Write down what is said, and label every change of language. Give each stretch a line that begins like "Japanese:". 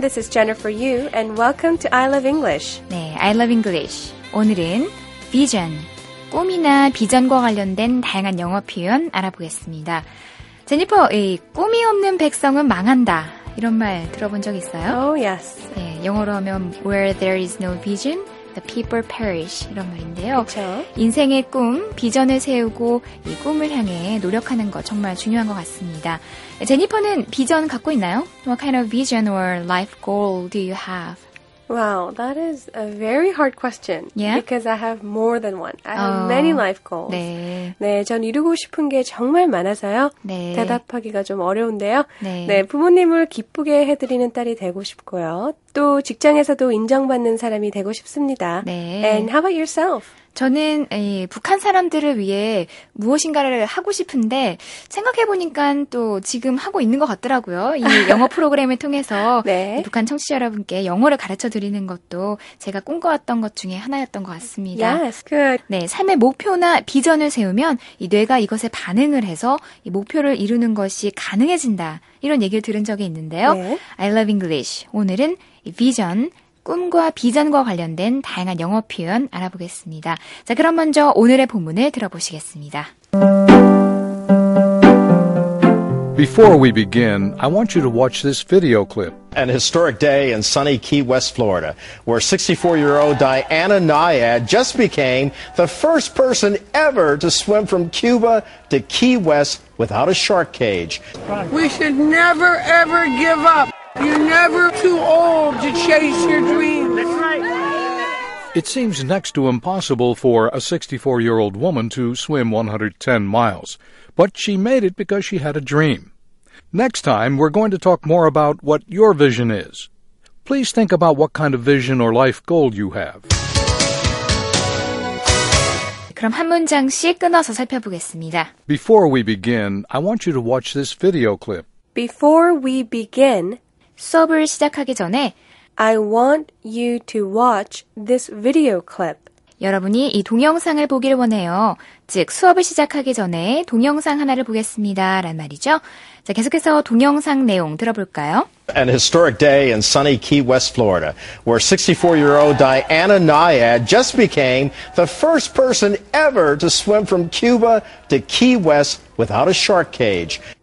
English: This is Jennifer Yu, and welcome to I love English.
Korean: 네, I love English. 오늘은 vision, 꿈이나 비전과 관련된 다양한 영어 표현 알아보겠습니다. 제니퍼, 이 꿈이 없는 백성은 망한다. 이런 말 들어본 적 있어요?
English: Oh, yes.
Korean: 네, 영어로 하면
English: where there is no vision, the people perish.
Korean: 이런 말인데요. 그렇죠. 인생의 꿈, 비전을 세우고 이 꿈을 향해 노력하는 거 정말 중요한 것 같습니다. 제니퍼는 비전 갖고 있나요?
English: What kind of vision or life goal do you have? Wow, that is a very hard question. Yeah? Because I have more than one. I have many life goals.
Korean: 네. 네, 전 이루고 싶은 게 정말 많아서요. 네. 대답하기가 좀 어려운데요. 네. 네, 부모님을 기쁘게 해드리는 딸이 되고 싶고요. 또 직장에서도 인정받는 사람이 되고 싶습니다. 네.
English: And how about yourself?
Korean: 저는 북한 사람들을 위해 무엇인가를 하고 싶은데 생각해보니까 또 지금 하고 있는 것 같더라고요. 이 영어 프로그램을 통해서 네. 북한 청취자 여러분께 영어를 가르쳐드리는 것도 제가 꿈꿔왔던 것 중에 하나였던 것 같습니다.
English: Yes, good.
Korean: 네, 삶의 목표나 비전을 세우면 이 뇌가 이것에 반응을 해서 이 목표를 이루는 것이 가능해진다. 이런 얘기를 들은 적이 있는데요. 네.
English: I love English.
Korean: 오늘은 vision, 꿈과 비전과 관련된 다양한 영어 표현 알아보겠습니다. 자, 그럼 먼저 오늘의 본문을 들어보시겠습니다.
English: Before we begin, I want you to watch this video clip. An historic day in sunny Key West, Florida, where 64-year-old Diana Nyad just became the first person ever to swim from Cuba to Key West without a shark cage. We should never, ever give up. You're never too old to chase your dreams. That's right. It seems next to impossible for a 64-year-old woman to swim 110 miles, but she made it because she had a dream. Next time, we're going to talk more about what your vision is. Please think about what kind of vision or life goal you have.
Korean: 그럼 한 문장씩 끊어서 살펴보겠습니다.
English: Before we begin, I want you to watch this video clip. Before we begin,
Korean: 수업을 시작하기 전에
English: I want you to watch this video clip.
Korean: 여러분이 이 동영상을 보기를 원해요. 즉, 수업을 시작하기 전에 동영상 하나를 보겠습니다. 라는 말이죠. 자, 계속해서 동영상 내용 들어볼까요?
English: An historic day in sunny Key West, Florida, where 64-year-old Diana Nyad just became the first person ever to swim from Cuba to Key West without a shark cage.